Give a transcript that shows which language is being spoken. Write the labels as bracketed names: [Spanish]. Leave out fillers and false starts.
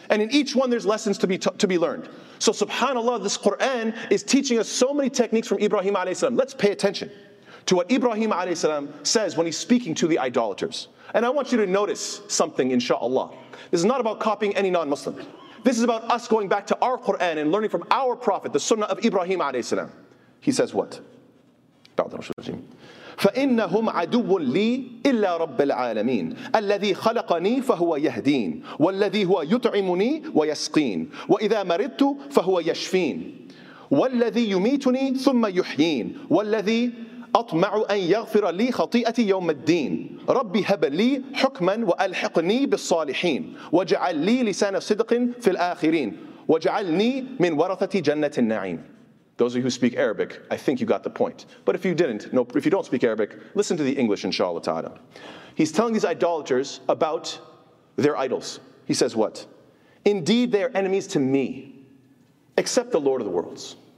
[English] And in each one, there's lessons to be learned. So subhanAllah, this Quran is teaching us so many techniques from Ibrahim alayhi salam. Let's pay attention to what Ibrahim alayhi salam says when he's speaking to the idolaters. And I want you to notice something, inshallah. This is not about copying any non-Muslim. This is about us going back to our Quran and learning from our Prophet, the Sunnah of Ibrahim alayhi salam. He says what? [Arabic] فَإِنَّهُمْ عَدُوٌ لِي إِلَّا رَبَّ الْعَالَمِينَ الَّذِي خَلَقَنِي فَهُوَ يَهْدِينَ وَالَّذِي هُوَ يُطْعِمُنِي وَيَسْقِينَ وَإِذَا مَرِضْتُ فَهُوَ يَشْفِينَ وَالَّذِي يُمِيتُنِي ثُمَّ يُحْيِينَ وَالَّذِي أطمع أن يغفر لي خطيئتي يوم الدين ربي هب لي حكما وألحقني بالصالحين واجعل لي لسان صدق في الآخرين واجعلني من ورثة جنة النعيم. [English] Those of you who speak Arabic, I think you got the point. But if you didn't, no, if you don't speak Arabic, listen to the English, inshallah ta'ala. He's telling these idolaters about their idols. He says what? Indeed, they are enemies to me, except the Lord of the worlds.